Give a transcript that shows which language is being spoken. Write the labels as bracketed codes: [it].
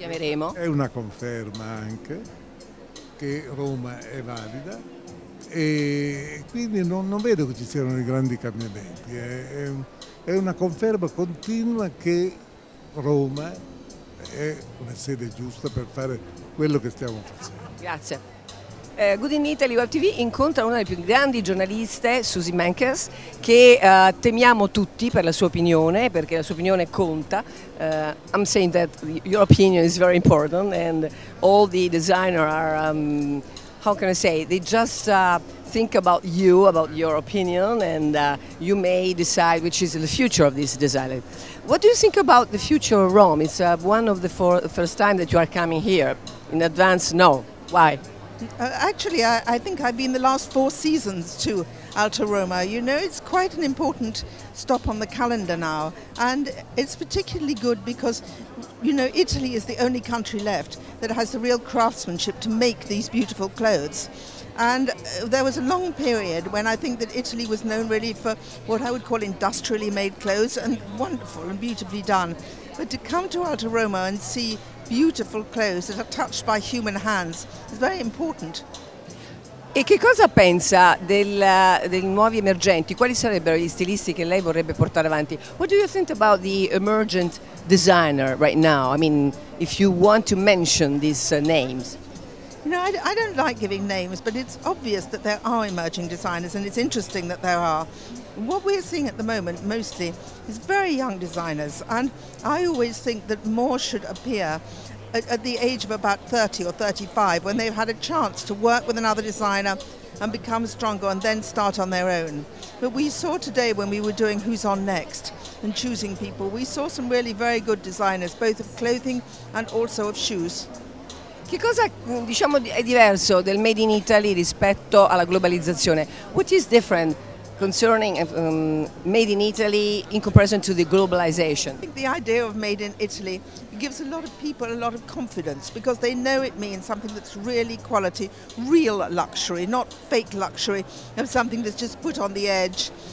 [it] è una conferma anche che Roma è valida, e quindi non vedo che ci siano dei grandi cambiamenti, è una conferma continua che Roma è una sede giusta per fare quello che stiamo facendo. Grazie. Good in Italy Web TV incontra una delle più grandi giornaliste, Susie Menkes, che temiamo tutti per la sua opinione, perché la sua opinione conta. [en] I'm saying that your opinion is very important and all the designers are, how can I say, they just think about you, about your opinion, and you may decide which is the future of this design. What do you think about the future of Rome? It's one of the first time that you are coming here. In advance, no. Why? Actually, I think I've been the last 4 seasons to Alta Roma. You know, it's quite an important stop on the calendar now. And it's particularly good because, you know, Italy is the only country left that has the real craftsmanship to make these beautiful clothes. And there was a long period when I think that Italy was known really for what I would call industrially made clothes, and wonderful and beautifully done. But to come to Alta Roma and see beautiful clothes that are touched by human hands is very important. [it] E che cosa pensa dei nuovi emergenti? Quali sarebbero gli stilisti che lei vorrebbe portare avanti? [en] What do you think about the emergent designer right now? I mean, if you want to mention these names. You know, I don't like giving names, but it's obvious that there are emerging designers, and it's interesting that there are. What we're seeing at the moment mostly is very young designers, and I always think that more should appear at the age of about 30 or 35, when they've had a chance to work with another designer and become stronger and then start on their own. But we saw today, when we were doing Who's On Next and choosing people, we saw some really very good designers, both of clothing and also of shoes. [it] Che cosa, diciamo, è diverso del Made in Italy rispetto alla globalizzazione? [en] What is different concerning Made in Italy in comparison to the globalization? I think the idea of Made in Italy gives a lot of people a lot of confidence, because they know it means something that's really quality, real luxury, not fake luxury, of something that's just put on the edge.